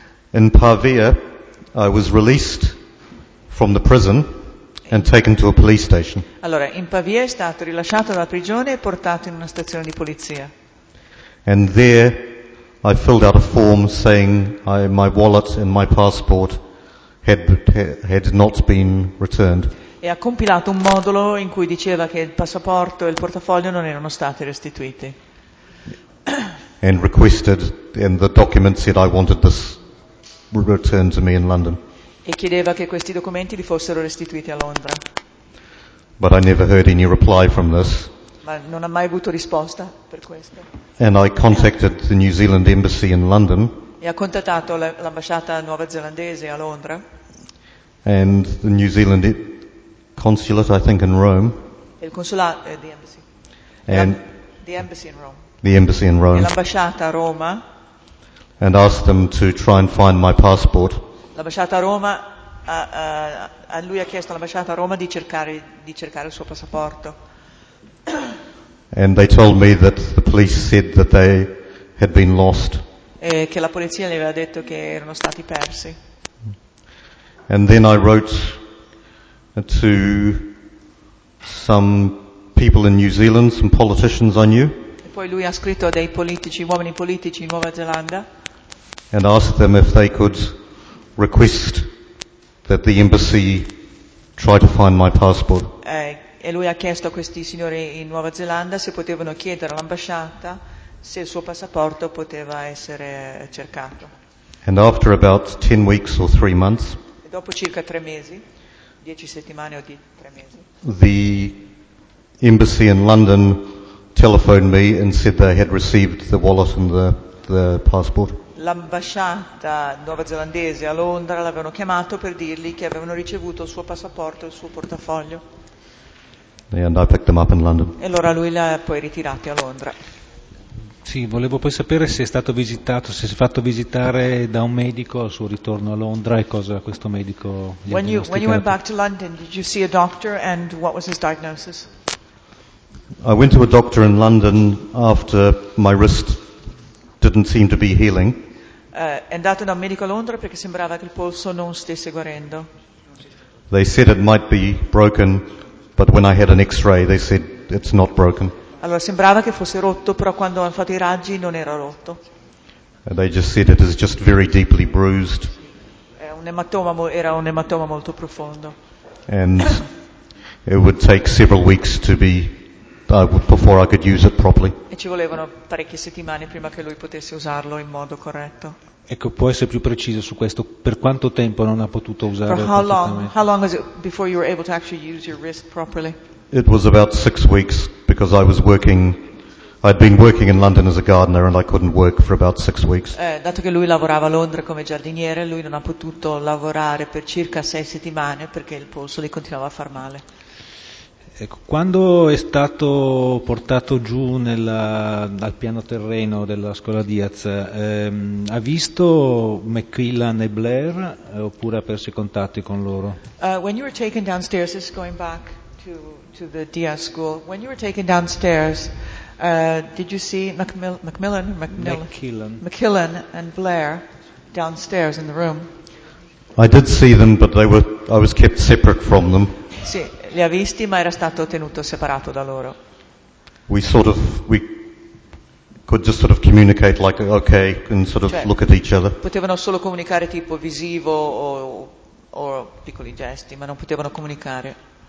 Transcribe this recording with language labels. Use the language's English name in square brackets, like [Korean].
[English] In Pavia I was released from the prison and taken to a police station. [Italian] Allora, in Pavia è stato rilasciato dalla prigione e portato in una stazione di polizia. [English] And there I filled out a form saying my wallet and my passport had not been returned. [Italian] E ha compilato un modulo in cui diceva che il passaporto e il portafoglio non erano stati restituiti. [English] And requested, and the document said I wanted this returned to me in London. [Italian] E chiedeva che questi documenti li fossero restituiti a Londra. [English] But I never heard any reply from this. [Italian] Ma non ha mai avuto risposta per questo. [English] And I contacted the New Zealand Embassy in London. [Italian] E ha contattato l'ambasciata nuova zelandese a Londra. [English] And the New Zealand consulate, I think, in Rome. [Italian] Il consulato, [English] the embassy. And the embassy in Rome. The embassy in Rome. [Italian] E l'ambasciata a Roma. [English] And asked them to try and find my passport. [Italian] L'ambasciata a Roma, a lui ha chiesto all'ambasciata a Roma di cercare il suo passaporto. [English] And they told me that the police said that they had been lost. [Italian] E che la polizia gli aveva detto che erano stati persi. [English] And then I wrote to some people in New Zealand, some politicians I knew. [Italian] E poi lui ha scritto a dei politici, uomini politici in Nuova Zelanda. [English] And asked them if they could request that the embassy try to find my passport. [Italian] E lui ha chiesto a questi signori in Nuova Zelanda se potevano chiedere all'ambasciata se il suo passaporto poteva essere cercato. [English] And after about 10 weeks or 3 months. [Italian] E dopo circa 3 mesi. 10 settimane o 3 mesi. [English] The embassy in London telephoned me and said they had received the wallet and the passport. [Italian] L'ambasciata nuova zelandese a Londra l'avevano chiamato per dirgli che avevano ricevuto il suo passaporto e il suo portafoglio. [English] And I picked them up in London. [Italian] E allora lui l'ha poi ritirati a Londra. Sì, volevo poi sapere se è stato visitato, se si è fatto visitare da un medico al suo ritorno a Londra e cosa questo medico gli ha diagnosticato. [English] When you went back to London, did you see a doctor and what was his diagnosis? I went to a doctor in London after my wrist didn't seem to be healing. [Italian] È andato da un medico a Londra perché sembrava che il polso non stesse guarendo. [English] They said it might be broken, but when I had an X-ray, they said it's not broken. [Italian] Allora sembrava che fosse rotto, però quando hanno fatto i raggi non era rotto. [English] They just said it is just very deeply bruised. [Italian] È un ematoma, era un ematoma molto profondo. [English] And it would take several weeks to be before I could use it properly. [Italian] E ci volevano parecchie settimane prima che lui potesse usarlo in modo corretto. Ecco, può essere più preciso su questo, per quanto tempo non ha potuto usare [English] how long was it before you were able to actually use your wrist properly? It was about 6 weeks because I was working, I'd been working in London as a gardener and I couldn't work for about 6 weeks. [Italian] Dato che lui lavorava a Londra come giardiniere, lui non ha potuto lavorare per circa 6 settimane perché il polso gli continuava a far male. Ecco, quando è stato portato giù dal piano terreno della scuola Diaz, ha visto McQuillan e Blair oppure ha perso i contatti con loro? [English] When you were taken downstairs, this is going back to the Diaz school, when you were taken downstairs, did you see McQuillan and Blair downstairs in the room? I did see them, but I was kept separate from them. [Italian] Sì, li ha visti, ma era stato tenuto separato da loro. [English] We could just sort of communicate like okay and sort of look at each other. [Italian] Potevano solo comunicare tipo visivo o piccoli gesti, ma non potevano comunicare.